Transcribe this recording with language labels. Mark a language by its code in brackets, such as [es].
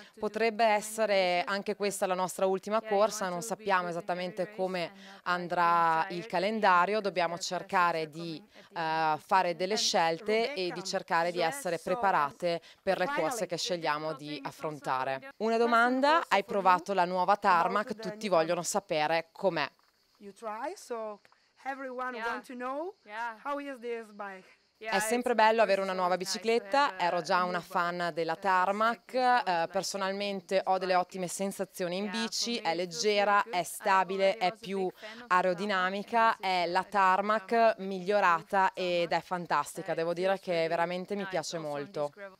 [it] Potrebbe essere anche questa la nostra ultima corsa, non sappiamo esattamente come andrà il calendario, dobbiamo cercare di fare delle scelte e di cercare di essere preparate per le corse che scegliamo di affrontare. Una domanda, hai provato la nuova tarmac, tutti vogliono sapere com'è. [en] You try, so everyone want to know how is this bike. [it] È sempre bello avere una nuova bicicletta, ero già una fan della tarmac, personalmente ho delle ottime sensazioni in bici, è leggera, è stabile, è più aerodinamica, è la tarmac migliorata ed è fantastica, devo dire che veramente mi piace molto.